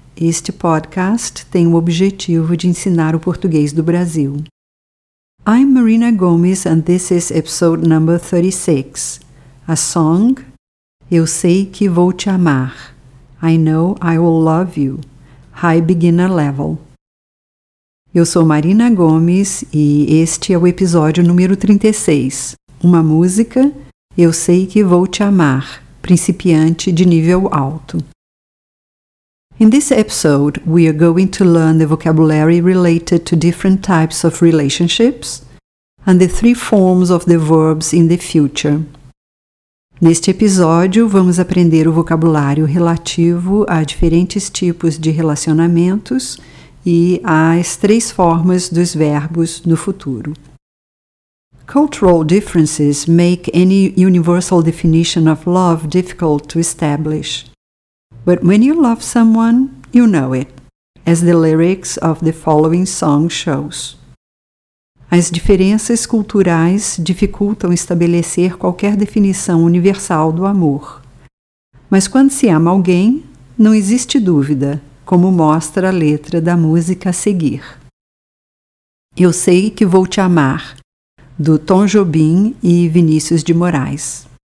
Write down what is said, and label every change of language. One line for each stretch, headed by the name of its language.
Portuguese: Este podcast tem o objetivo de ensinar o português do Brasil.
English: I'm Marina Gomes and this is episode number 36. A song, Eu Sei Que Vou Te Amar. I Know I Will Love You. High Beginner Level.
Portuguese: Eu sou Marina Gomes e este é o episódio número 36, uma música, Eu Sei Que Vou Te Amar, principiante de nível alto.
English: In this episode, we are going to learn the vocabulary related to different types of relationships and the three forms of the verbs in the future.
Portuguese: Neste episódio, vamos aprender o vocabulário relativo a diferentes tipos de relacionamentos e as três formas dos verbos no futuro.
English: Cultural differences make any universal definition of love difficult to establish. But when you love someone, you know it, as the lyrics of the following song shows.
Portuguese: As diferenças culturais dificultam estabelecer qualquer definição universal do amor. Mas quando se ama alguém, não existe dúvida, como mostra a letra da música a seguir. Eu Sei Que Vou Te Amar, do Tom Jobim e Vinícius de Moraes.